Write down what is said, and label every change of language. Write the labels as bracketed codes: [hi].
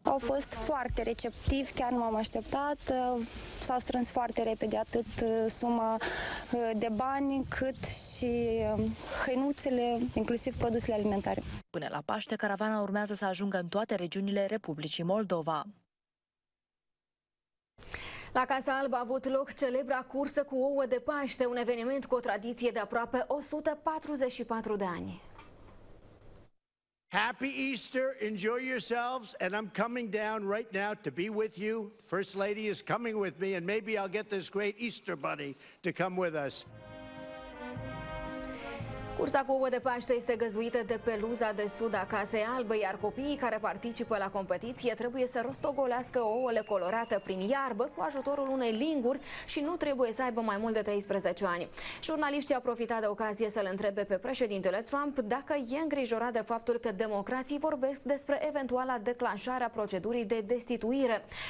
[ro] Au fost foarte receptivi, chiar nu m-am așteptat. S-a strâns foarte repede atât suma de bani, cât și hăinuțele, inclusiv produsele alimentare. Până la Paște, caravana urmează să ajungă în toate regiunile Republicii Moldova. La Casa Albă a avut loc celebra cursă cu ouă de Paște, un eveniment cu o tradiție de aproape 144 de ani. [en] Happy Easter, enjoy yourselves, and I'm coming down right now to be with you. First Lady is coming with me, and maybe I'll get this great Easter bunny to come with us. [ro] Cursa cu ouă de Paște este găzduită de peluza de sud a Casei Albe, iar copiii care participă la competiție trebuie să rostogolească ouăle colorate prin iarbă cu ajutorul unei linguri și nu trebuie să aibă mai mult de 13 ani. Jurnaliștii au profitat de ocazie să-l întrebe pe președintele Trump dacă e îngrijorat de faptul că democrații vorbesc despre eventuala declanșare a procedurii de destituire.